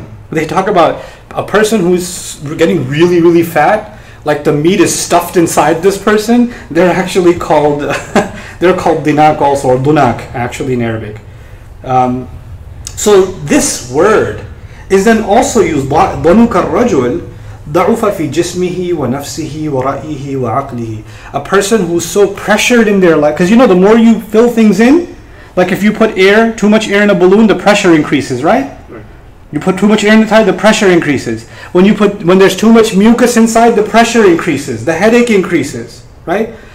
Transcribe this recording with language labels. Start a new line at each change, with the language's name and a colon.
English: They talk about a person who's getting really, really fat, like the meat is stuffed inside this person, they're actually called, they're called dinak also, or dunak, actually in Arabic. So this word, is then also used
Arabic: ضنك الرجل ضعف في جسمه ونفسه ورأيه وعقله.
English: A person who's so pressured in their life, because you know the more you fill things in, like if you put air, too much air in a balloon, the pressure increases, right? You put too much air in the tire, the pressure increases. When there's too much mucus inside, the pressure increases, the headache increases, right?